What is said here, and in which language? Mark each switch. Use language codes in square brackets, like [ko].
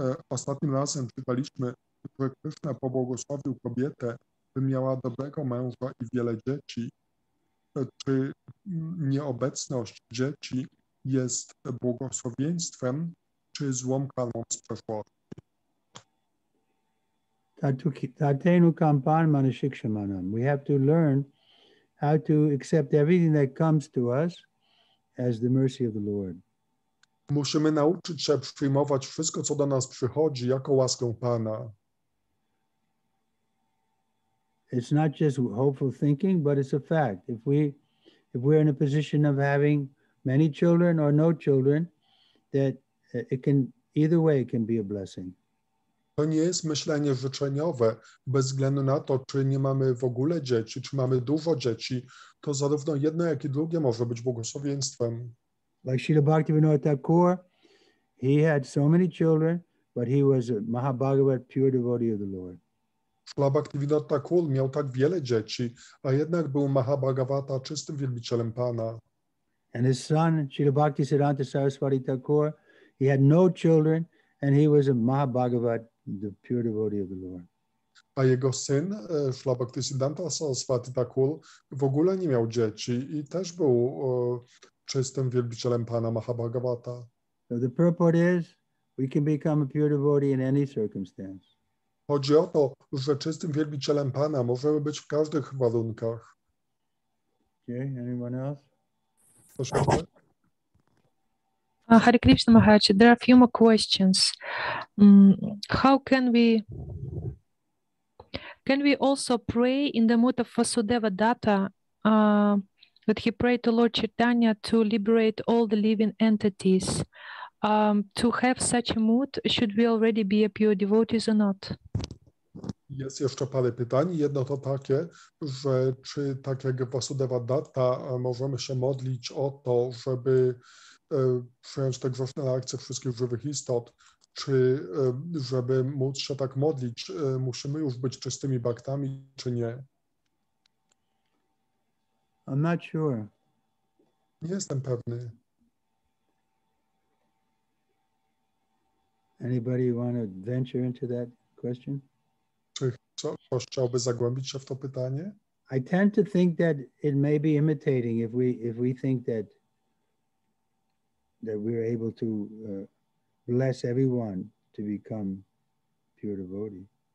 [pl] Ostatnim razem czytaliśmy, że Krishna pobłogosławił kobietę, by miała dobrego męża i wiele dzieci. Czy nieobecność dzieci jest błogosławieństwem, czy złą karmą z przeszłości? [sa] Tatenu kampan manashikshamanam. [en] We have to learn how to accept everything that comes to us as the mercy of the Lord. [pl] Musimy nauczyć się przyjmować wszystko, co do nas przychodzi, jako łaskę Pana. [en] It's not just hopeful thinking, but it's a fact. If we're in a position of having many children or no children, that it can, either way, it can be a blessing. [pl] To nie jest myślenie życzeniowe, bez względu na to, czy nie mamy w ogóle dzieci, czy mamy dużo dzieci, to zarówno jedno, jak i drugie może być błogosławieństwem. [en] Like Śrīla Bhaktivinoda Thakura, he had so many children, but he was a Mahabhagavat pure devotee of the Lord. [pl] Śrīla Bhaktivinoda Thakura miał tak wiele dzieci, a jednak był Mahabhagavata, czystym wielbicielem Pana. [en] And his son, Śrīla Bhaktisiddhānta Saraswati Thakura, he had no children and he was a Mahabhagavat, the pure devotee of the Lord. [pl] A jego syn, Śrīla Bhaktisiddhānta Saraswati Thakura, w ogóle nie miał dzieci i też był czystym wielbicielem Pana Mahabhagavata. [en] So the purport is, we can become a pure devotee in any circumstance. [pl] Chodzi o to, że czystym wielbicielem Pana możemy być w każdych warunkach. [en] Okay, anyone else? Hare Krishna Maharaj, there are a few more questions. How can we also pray in the mood of Vasudeva Datta, that he prayed to Lord Chaitanya to liberate all the living entities? To have such a mood, should we already be a pure devotees or not? [pl] Jest jeszcze parę pytań. Jedno to takie, że czy tak jak Vasudeva Datta możemy się modlić o to, żeby przyjąć te grzeszne reakcje wszystkich żywych istot, czy żeby móc się tak modlić, musimy już być czystymi bhaktami, czy nie? [en] I'm not sure. [pl] Nie jestem pewny. [en] Anybody want to venture into that question? [pl] Ktoś chciałby zagłębić się w to pytanie? [en] I tend to think that it may be imitating if we think that we're able to bless everyone to become pure devotee.